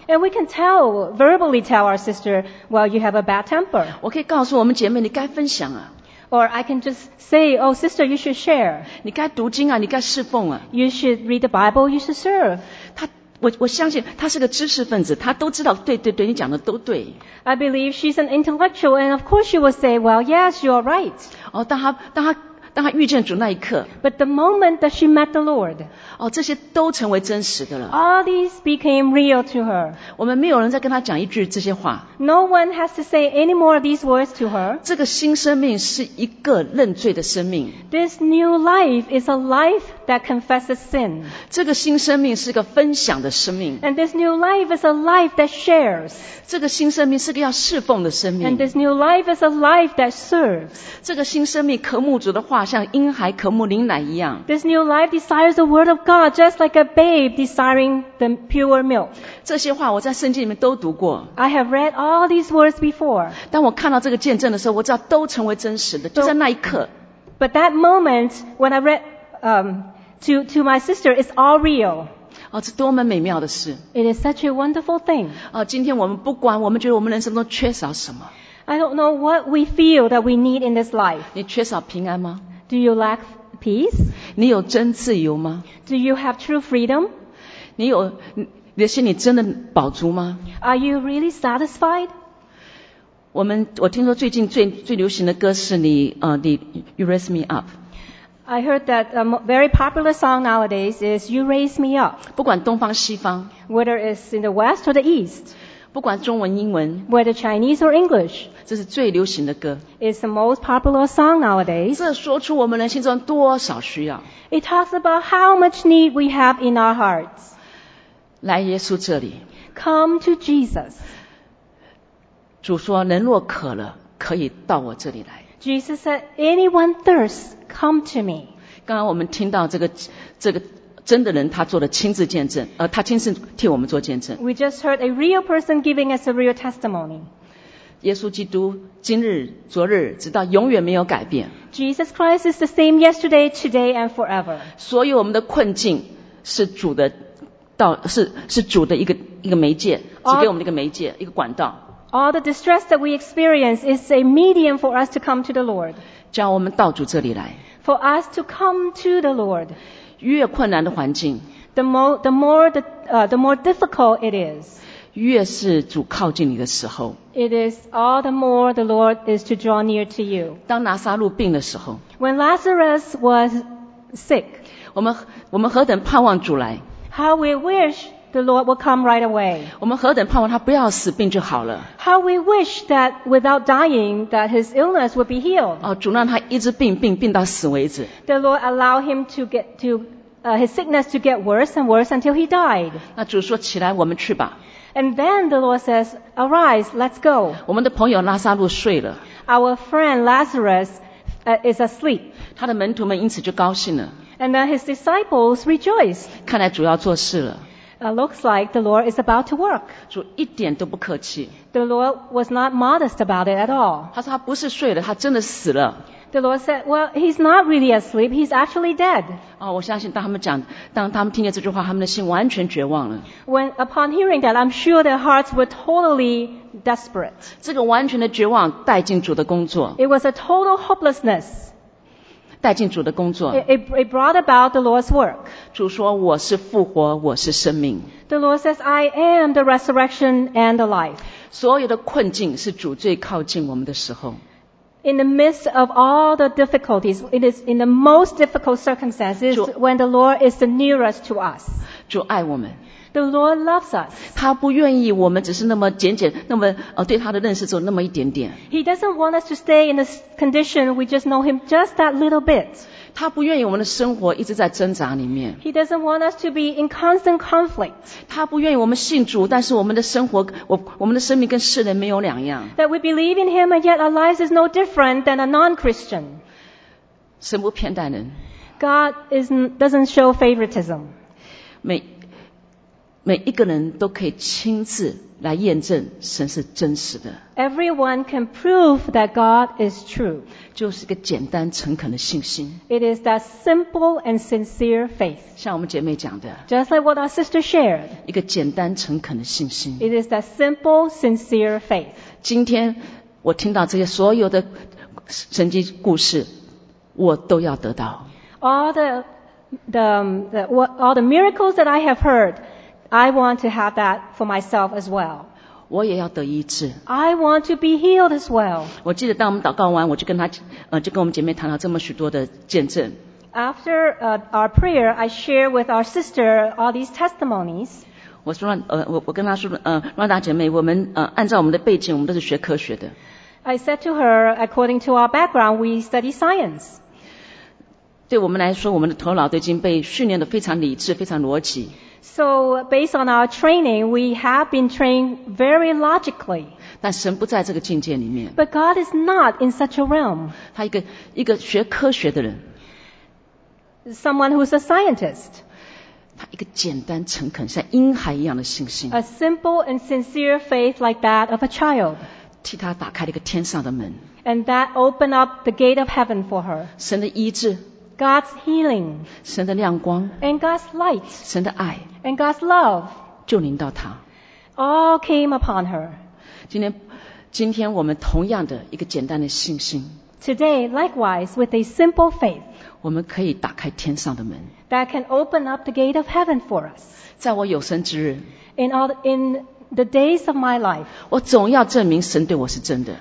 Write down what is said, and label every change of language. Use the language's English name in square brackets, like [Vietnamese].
[English] And we can tell, verbally tell our sister, well, you have a bad temper. [Chinese] 我可以告诉我们姐妹，你该分享啊。 [English] Or I can just say, oh sister, you should share. [Chinese] 你该读经啊，你该侍奉啊。 [English] You should read the Bible, you should serve. [Chinese] 我相信她是个知识分子，她都知道，对对对，你讲的都对。 [English] I believe she's an intellectual, and of course she will say, well, yes, you are right. [Chinese] 哦，当她遇见主那一刻。 [English] But the moment that she met the Lord. [Chinese] 哦，这些都成为真实的了。 [English] All these became real to her. [Chinese] 我们没有人再跟她讲一句这些话。 [English] No one has to say any more of these words to her. [Chinese] 这个新生命是一个认罪的生命。 [English] This new life is a life that confesses sin. [Chinese] 这个新生命是一个分享的生命。 [English] And this new life is a life that shares. [Chinese] 这个新生命是个要侍奉的生命。 [English] And this new life is a life that serves. [Chinese] 这个新生命渴慕主的话，像婴孩渴慕灵奶一样。 [English] This new life desires the word of God just like a babe desiring the pure milk. [Chinese] 这些话我在圣经里面都读过。 [English] I have read all these words before. [Chinese] 当我看到这个见证的时候，我知道都成为真实的，就在那一刻。 [English] But that moment when I read to my sister, it's all real. [Chinese] 哦，这多么美妙的事。 [English] It is such a wonderful thing. [Chinese] 哦，今天我们不管我们觉得我们人生中缺少什么。 [English] I don't know what we feel that we need in this life. [Chinese] 你缺少平安吗？ [English] Do you lack peace? [Chinese] 你有真自由吗？ [English] Do you have true freedom? [Chinese] 你的心里真的饱足吗？ [English] Are you really satisfied? [Chinese] 我听说最近最流行的歌是你 You Raise Me Up. [English] I heard that a very popular song nowadays is You Raise Me Up. [Chinese] 不管东方西方。 [English] Whether it's in the West or the East. [Chinese] 不管中文英文 [English] Whether Chinese or English [Chinese] 这是最流行的歌 [English] It's the most popular song nowadays [Chinese] 这说出我们人心中多少需要 [English] It talks about how much need we have in our hearts [Chinese] 来耶稣这里 [English] Come to Jesus [Chinese] 主说人若渴了可以到我这里来 [English] Jesus said anyone thirsts come to me [Chinese] 刚刚我们听到这个真的人他做了亲自见证他亲自替我们做见证。 [English] We just heard a real person giving us a real testimony. [Chinese] 耶稣基督今日昨日直到永远没有改变。 [English] Jesus Christ is the same yesterday, today and forever. [Chinese] 所有我们的困境是主的一个媒介只给我们的一个媒介一个管道。 [English] All the distress that we experience is a medium for us to come to the Lord. [Chinese] 叫我们到主这里来。 [English] For us to come to the Lord. [Chinese] 越困难的环境 [English] the more difficult it is [Chinese] 越是主靠近你的时候 [English] it is all the more the Lord is to draw near to you [Chinese] 当拿撒路病的时候 [English] when Lazarus was sick [Chinese] 我们何等盼望主来 [English] how we wish the Lord will come right away [Chinese] 我们何等盼望他不要死病就好了 [English] how we wish that without dying that his illness would be healed [Chinese] 主让他一直病到死为止 [English] the Lord allow him to get to his sickness to get worse and worse until he died. [Chinese] 那主说起来，我们去吧。 [English] And then the Lord says, "Arise, let's go." [Chinese] 我们的朋友拉撒路睡了。 [English] Our friend Lazarus is asleep. [Chinese] 他的门徒们因此就高兴了。 [English] And then his disciples rejoiced. [Chinese] 看来主要做事了。 [English] Looks like the Lord is about to work. [Chinese] 主一点都不客气。 [English] The Lord was not modest about it at all. [Chinese] 他说他不是睡了，他真的死了。 [English] The Lord said, "Well, he's not really asleep. He's actually dead." [Chinese] 哦，我相信当他们讲，当他们听见这句话，他们的心完全绝望了。 [English] When upon hearing that, I'm sure their hearts were totally desperate. [Chinese] 这个完全的绝望带进主的工作。 [English] It was a total hopelessness. [Chinese] 带进主的工作。 [English] It brought about the Lord's work. [Chinese] 主说我是复活，我是生命。 [English] The Lord says, "I am the resurrection and the life." [Chinese] 所有的困境是主最靠近我们的时候。 [English] In the midst of all the difficulties, it is in the most difficult circumstances when the Lord is the nearest to us. [Chinese] 主爱我们。 [English] The Lord loves us. [Chinese] 他不愿意我们只是那么简简，那么对他的认识只有那么一点点。 [English] He doesn't want us to stay in the condition we just know him just that little bit. [Chinese] 他不愿意我们的生活一直在挣扎里面。 [English] He doesn't want us to be in constant conflict. [Chinese] 他不愿意我们信主，但是我们的生活，我们的生命跟世人没有两样。 [English] That we believe in him and yet our lives is no different than a non-Christian. [Chinese] 神不偏待人。 [English] God doesn't show favoritism. [Chinese] 每一个人都可以亲自来验证神是真实的。 [English] Everyone can prove that God is true. [Chinese] 就是个简单诚恳的信心。 [English] It is that simple and sincere faith. [Chinese] 像我们姐妹讲的。 [English] Just like what our sister shared. [Chinese] 一个简单诚恳的信心。 [English] It is that simple, sincere faith. [Chinese] 今天我听到这些所有的神迹故事，我都要得到。 [English] All the miracles that I have heard. I want to have that for myself as well. [Chinese] 我也要得医治。 [English] I want to be healed as well. [Chinese] 我记得当我们祷告完，我就跟他，就跟我们姐妹谈了这么许多的见证。 [English] After our prayer, I share with our sister all these testimonies. [Chinese] 我说我跟她说，让大姐妹，我们按照我们的背景，我们都是学科学的。 [English] I said to her, according to our background, we study science. [Chinese] 对我们来说，我们的头脑都已经被训练得非常理智，非常逻辑。 [English] So based on our training, we have been trained very logically. [Chinese] 但神不在这个境界里面。 [English] But God is not in such a realm. [Chinese] 他一个学科学的人。 [English] Someone who's a scientist. [Chinese] 他一个简单诚恳，像婴孩一样的信心。 [English] A simple and sincere faith like that of a child. [Chinese] 替他打开了一个天上的门。 [English] And that opened up the gate of heaven for her. [Chinese] 神的医治。 [English] God's healing, [Chinese] 神的亮光, [English] and God's light, [Chinese] 神的爱, [English] and God's love, [Chinese] 就临到她, [English] all came upon her. [Chinese] 今天我们同样的一个简单的信心, [English] today, likewise, with a simple faith, [Chinese] 我们可以打开天上的门, [English] that can open up the gate of heaven for us. [Chinese] 在我有生之日, [English] in the days of my life, [Chinese] 我总要证明神对我是真的,